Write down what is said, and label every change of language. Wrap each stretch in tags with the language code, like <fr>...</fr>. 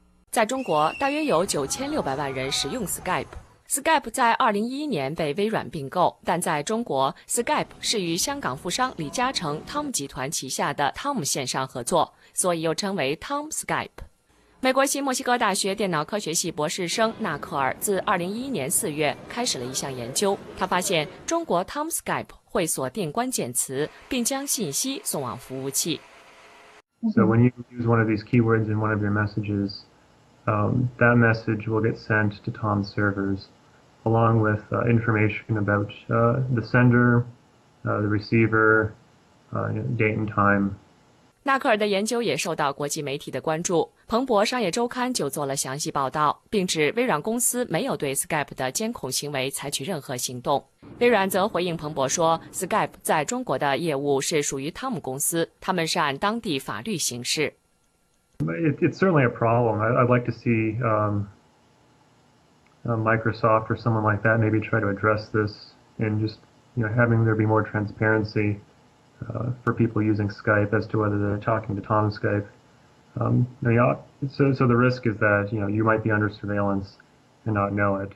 <zh>在中国，大约有9600万人使用 Skype。Skype 在2011年被微软并购，但在中国 Skype 是与香港富商李嘉诚 Tom 集团旗下的 Tom 线上合作，所以又称为 Tom Skype。美国新墨西哥大学电脑科学系博士生纳克尔自2011年4月开始了一项研究，他发现中国 Tom Skype 会锁定关键词并将信息送往服务器。</zh> <en>So when you use one of these keywords in one of your messages, that message will get sent to Tom's servers, along with information about the sender, the receiver, date and time.</en> <zh>纳克尔的研究也受到国际媒体的关注，彭博商业周刊就做了详细报道，并指微软公司没有对 Skype 的监控行为采取任何行动。微软则回应彭博说， Skype 在中国的业务是属于汤姆公司，他们是按当地法律行事。</zh> <en>It's certainly a problem. I'd like to see Microsoft or someone like that maybe try to address this and just, you know, having there be more transparency for people using Skype as to whether they're talking to Tom Skype. So the risk is that, you know, you might be under surveillance and not know it.</en>